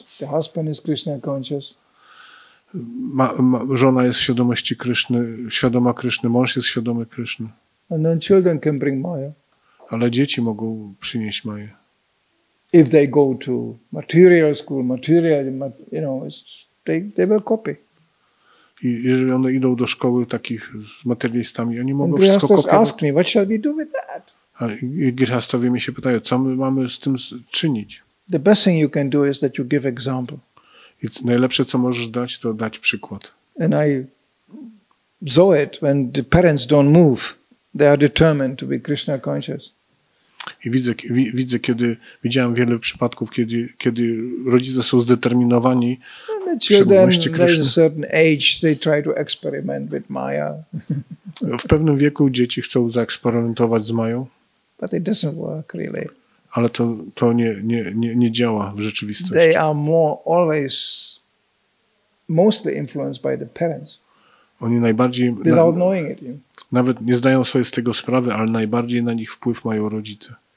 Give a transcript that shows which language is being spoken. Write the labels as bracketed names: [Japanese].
[English] The husband is Krishna conscious. [Polish] Żona jest w świadomości Kryszny, świadoma Kryszny, mąż jest świadomy Kryszny. [English] And then children can bring Maya. [Polish] Ale dzieci mogą przynieść Maję. [English] If they go to material school, you know, they will copy. [Polish] Jeżeli one idą do szkoły takich z materialistami, oni mogą wszystko kopiować. [English] Ask me, what shall we do with that? [Polish] A Girhastowie mi się pytają, co my mamy z tym czynić? [English] The best thing you can do is that you give example. [Polish] I najlepsze, co możesz dać, to dać przykład. [English] And I saw it when the parents don't move. They are determined to be Krishna conscious. [Polish] I widzę, kiedy widziałem wiele przypadków, kiedy rodzice są zdeterminowani w świadomości Krishna. [English] At a certain age, they try to experiment with Maya. [Polish] W pewnym wieku dzieci chcą zaeksperymentować z Mają. [English] But it doesn't work really. [Polish] Ale to nie działa w rzeczywistości. [English] They are more always mostly influenced by the parents. [Polish] Oni najbardziej, [English] without knowing it, [Polish] nawet nie zdają sobie z tego sprawy, ale najbardziej na nich wpływ mają rodzice.